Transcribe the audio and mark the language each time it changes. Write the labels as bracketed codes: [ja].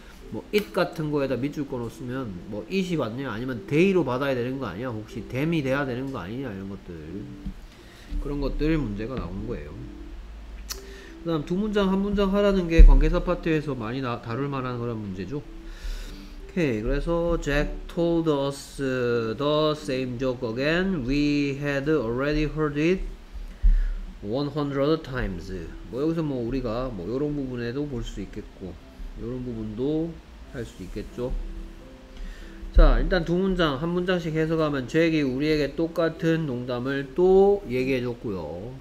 [ko] 뭐 it 같은 거에다 밑줄 꺼놓으면 뭐 it이 맞냐 아니면 day로 받아야 되는 거 아니야 혹시 them이 돼야 되는 거 아니냐 이런 것들 그런 것들 문제가 나온 거예요. 그 다음 두 문장 한 문장 하라는 게 관계사 파트에서 많이 다룰 만한 그런 문제죠. 오케이. [en] 그래서 Jack told us the same joke again. We had already heard it 100 times. [ko] 뭐 여기서 뭐 우리가 뭐 이런 부분에도 볼 수 있겠고 이런 부분도 할 수 있겠죠. 자 일단 두 문장 한 문장씩 해석하면 잭이 우리에게 똑같은 농담을 또 얘기해 줬고요.